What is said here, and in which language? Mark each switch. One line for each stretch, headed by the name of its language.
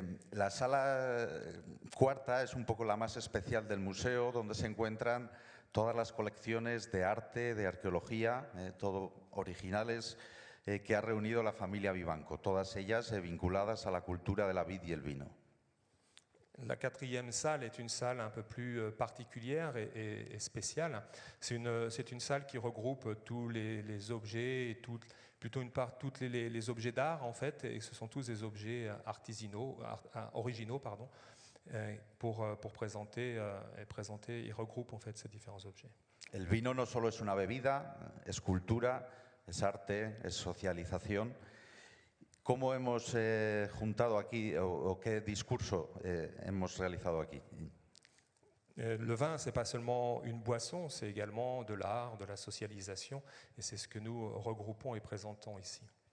Spanish: La sala cuarta es un poco la más especial del museo, donde se encuentran todas las colecciones de arte, de arqueología, todo originales, que ha reunido la familia Vivanco, todas ellas vinculadas a la cultura de la vid y el vino.
French: La quatrième salle est une salle un peu plus particulière et spéciale. C'est une salle qui regroupe tous les objets et toutes les objets d'art en fait, et ce sont tous des objets originaux, pour présenter et regroupe en fait ces différents objets.
Spanish: El vino no solo es una bebida, es cultura, es arte, es socialización. ¿Cómo hemos juntado aquí o qué discurso hemos realizado aquí?
French: Le vin, c'est pas seulement une boisson, c'est également de l'art, de la socialisation, et c'est ce que nous regroupons et présentons ici.